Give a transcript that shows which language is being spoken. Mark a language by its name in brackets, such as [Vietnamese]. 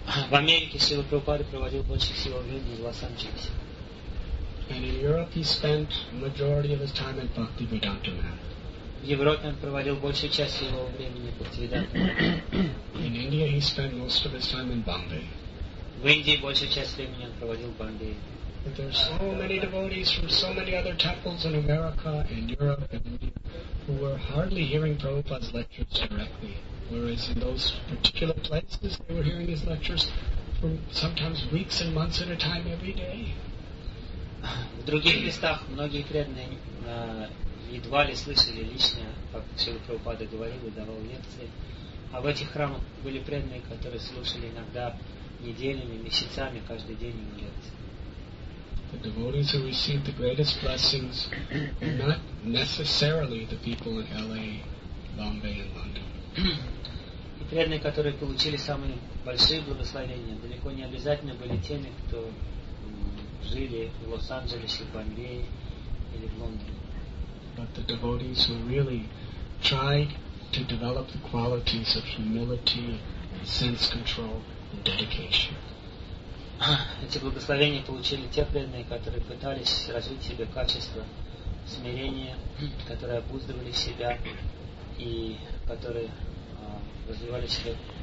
[Russian] В Америке Шрила Прабхупада проводил больше всего времени в Лос-Анджелесе. [English] And in Europe, he spent majority of his time in Bhakti Vedanta Math. [Russian] В Европе он проводил большую часть своего времени Бхактивиданта. В Индии большую часть времени он проводил в Бомбее. [English] But there are so many devotees from so many other temples in America and Europe and India who were hardly hearing Prabhupada's lectures directly. Whereas in those particular places, they were hearing his lectures for sometimes weeks and months at a time every day. [Russian] В других местах многие преданные едва ли слышали лично, как Шрила Прабхупада говорил и давал лекции. А в этих храмах были преданные, которые слушали иногда неделями, месяцами, каждый день его лекции. [English] The devotees who received the greatest blessings were not necessarily the people in LA, Bombay, and London. [Russian] И преданные, которые получили самые большие благословения, далеко не обязательно были теми, кто жили в Лос-Анджелесе, Бомбее или в Лондоне. [English] But the devotees who really tried to develop the qualities of humility, sense control, and dedication. [Russian] Эти благословения получили те преданные, которые пытались развить в себе качество смирения, которые обуздывали себя и которые развивали в себе